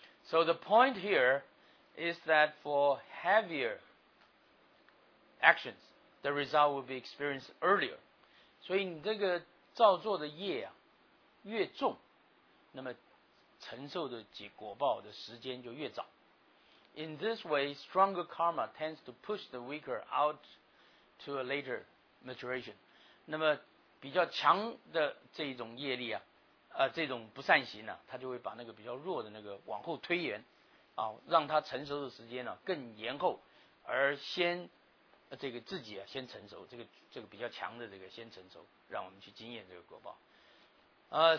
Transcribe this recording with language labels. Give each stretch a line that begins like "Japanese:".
English: So the point hereis that for heavier actions, the result will be experienced earlier.
Chinese: 所以你这个造作的业啊，越重，那么承受的果报的时间就越早。
English: In this way, stronger karma tends to push the weaker out to a later maturation.
Chinese: 那么比较强的这种业力啊，这种不善行啊，它就会把那个比较弱的那个往后推延。啊、让他成熟的时间呢、啊、更延后，而先这个自己啊先成熟，这个比较强的这个先成熟，让我们去经验这个果报。